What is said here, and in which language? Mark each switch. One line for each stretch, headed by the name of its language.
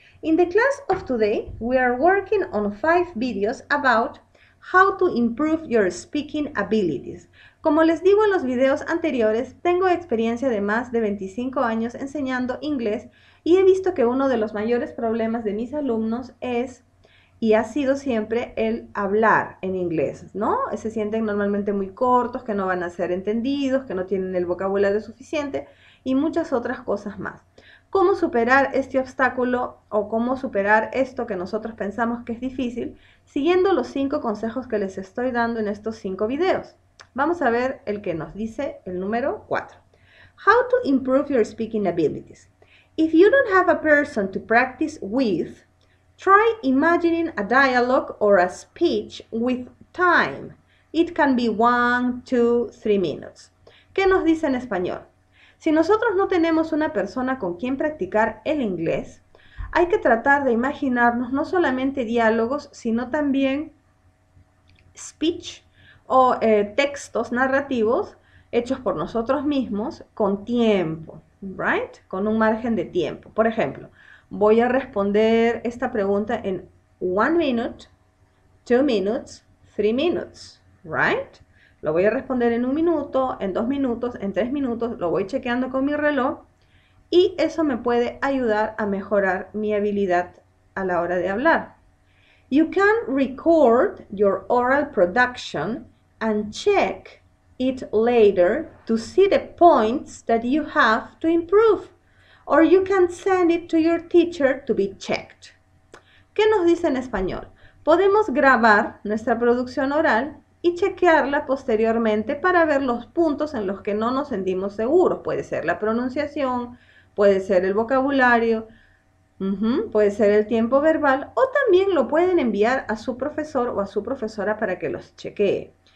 English: In the class of today, we are working on 5 videos about how to improve your speaking abilities.
Spanish: Como les digo en los videos anteriores, tengo experiencia de más de 25 años enseñando inglés y he visto que uno de los mayores problemas de mis alumnos es y ha sido siempre el hablar en inglés, ¿no? Se sienten normalmente muy cortos, que no van a ser entendidos, que no tienen el vocabulario suficiente y muchas otras cosas más. ¿Cómo superar este obstáculo o cómo superar esto que nosotros pensamos que es difícil? Siguiendo los 5 consejos que les estoy dando en estos 5 videos. Vamos a ver el que nos dice el número 4.
English: How to improve your speaking abilities. If you don't have a person to practice with, try imagining a dialogue or a speech with time. It can be 1, 2, 3 minutes.
Spanish: ¿Qué nos dice en español? Si nosotros no tenemos una persona con quien practicar el inglés, hay que tratar de imaginarnos no solamente diálogos, sino también speech o textos narrativos hechos por nosotros mismos con tiempo, right? Con un margen de tiempo. Por ejemplo, voy a responder esta pregunta en
English: 1 minute, 2 minutes, 3 minutes, right?
Spanish: Lo voy a responder en 1 minuto, en 2 minutos, en 3 minutos, lo voy chequeando con mi reloj y eso me puede ayudar a mejorar mi habilidad a la hora de hablar.
English: You can record your oral production and check it later to see the points that you have to improve. Or you can send it to your teacher to be checked.
Spanish: ¿Qué nos dice en español? Podemos grabar nuestra producción oral y chequearla posteriormente para ver los puntos en los que no nos sentimos seguros. Puede ser la pronunciación, puede ser el vocabulario, puede ser el tiempo verbal, o también lo pueden enviar a su profesor o a su profesora para que los chequee.